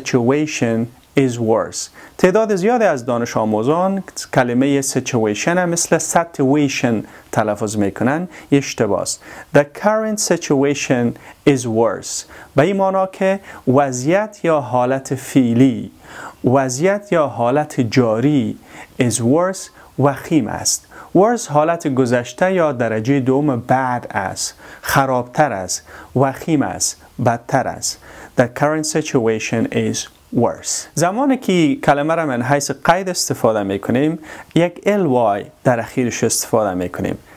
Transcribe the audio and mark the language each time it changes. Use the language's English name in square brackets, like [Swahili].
[English] The current situation is worse. [Persian] تعداد زیادی از دانش آموزان کلمه situation مثل situation تلفظ میکنن، اشتباه است. [English] The current situation is worse. [Persian] به این معنا که وضعیت یا حالت فعلی، وضعیت یا حالت جاری [English] is worse، [Persian] وخیم است. Worse حالت گذشته یا درجه دوم bad است، خرابتر است، وخیم است، بدتر است. [English] The current situation is worse. [Persian] زمانی که کلمه را من حیث قید استفاده میکنیم، یک ly در اخیرش استفاده میکنیم.